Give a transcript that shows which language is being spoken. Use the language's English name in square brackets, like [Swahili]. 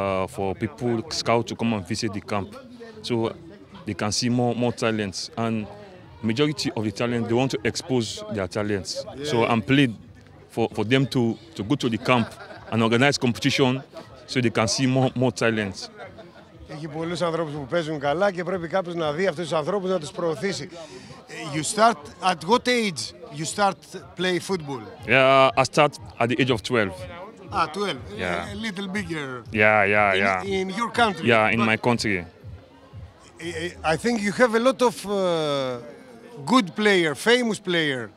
[English] For people, scout to come and visit the camp. So they can see more talents. And majority of the talent, they want to expose their talents. Yeah. So I'm plead for them to go to the camp and organize competition so they can see more talents. [Greek] Έχει πολλούς ανθρώπους που παίζουν καλά και πρέπει κάποιος να δει αυτούς τους ανθρώπους να τους προωθήσει. [English] You start at what age you start play football? Yeah, I start at the age of 12. Ah, 12. Yeah. A little bigger. Yeah. In your country. Yeah, in my country. I think you have a lot of good player, famous player.